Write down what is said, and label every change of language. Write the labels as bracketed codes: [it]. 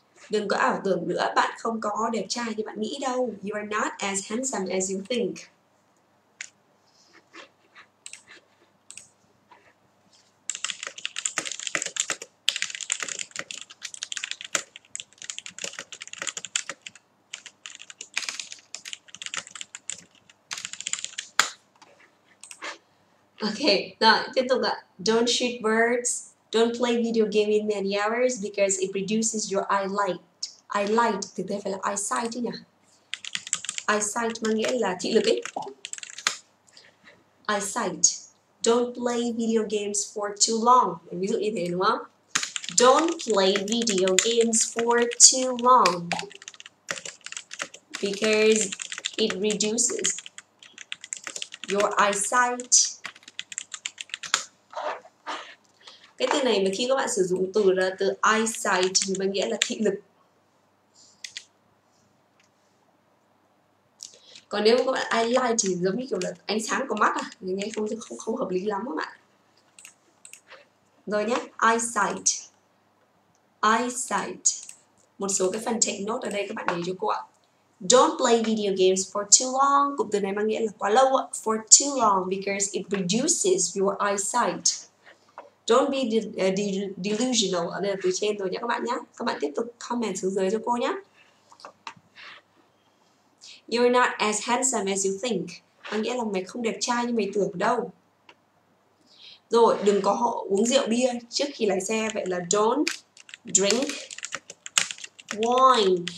[vi] Đừng có ảo tưởng nữa, bạn không có đẹp trai như bạn nghĩ đâu. [en] You are not as handsome as you think. [vi] Okay, rồi, tiếp tục ạ. [en] Don't shoot birds. Don't play video game in many hours because it reduces your eyelight. [vi] Eyelight thực tế phải là eyesight chứ nhỉ? Eyesight mang nghĩa là thị lực ấy. [en] Eyesight. Don't play video games for too long. [vi] Ví dụ như thế đúng không? [en] Don't play video games for too long because it reduces your eyesight. [vi] Cái từ này mà khi các bạn sử dụng từ là từ eyesight thì mang nghĩa là thị lực. Còn nếu các bạn eyelight thì giống như kiểu là ánh sáng của mắt à, nghe không không không hợp lý lắm các bạn. Rồi nhé, eyesight. Eyesight. Một số cái phần take note ở đây các bạn để cho cô ạ. [en] Don't play video games for too long. [vi] Cụm từ này mang nghĩa là quá lâu ạ. [en] For too long because it reduces your eyesight. Don't be delusional. [vi] Ở đây là từ trên rồi nhé các bạn nhé. Các bạn tiếp tục comment xuống dưới cho cô nhé. [en] You're not as handsome as you think. [vi] Có nghĩa là mày không đẹp trai như mày tưởng đâu. Rồi, đừng có họ uống rượu bia trước khi lái xe. Vậy là [en] don't drink wine.